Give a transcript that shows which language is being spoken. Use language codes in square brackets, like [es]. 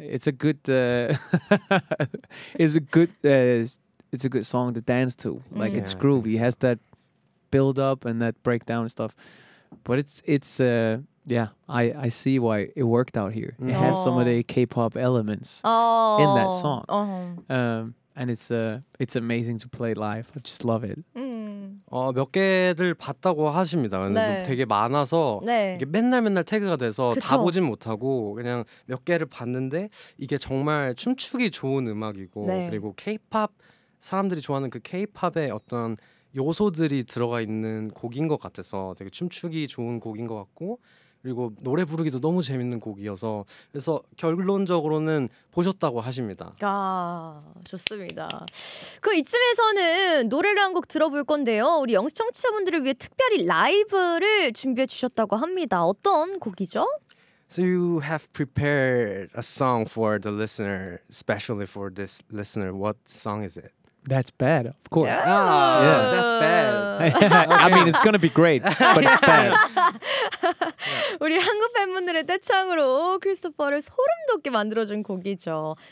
[en] It's a good. it's a good song to dance to. Like yeah, it's groovy. So. It has that build up and that breakdown stuff. But it's. Yeah, I see why it worked out here. It has some of the K-pop elements in that song. And it's amazing to play live. I just love it. [ko] 몇 개를 봤다고 하십니다. 근데 네. 되게 많아서 네. 이게 맨날 태그가 돼서 그쵸? 다 보진 못하고 그냥 몇 개를 봤는데 이게 정말 춤추기 좋은 음악이고 네. 그리고 K-pop 사람들이 좋아하는 그 K-pop의 어떤 요소들이 들어가 있는 곡인 것 같아서 되게 춤추기 좋은 곡인 것 같고 그리고 노래 부르기도 너무 재밌는 곡이어서 그래서 결론적으로는 보셨다고 하십니다. 아 좋습니다. 그 이쯤에서는 노래를 한 곡 들어볼 건데요. 우리 영스 청취자분들을 위해 특별히 라이브를 준비해 주셨다고 합니다. 어떤 곡이죠? [en] So you have prepared a song for the listener, especially for this listener. What song is it? That's bad, of course. Yeah. Oh, yeah. That's bad. I mean, it's going to be great, but it's bad. [ko] 우리 한국 팬분들의 떼창으로 크리스토퍼를 소름 돋게 만들어준 곡이죠.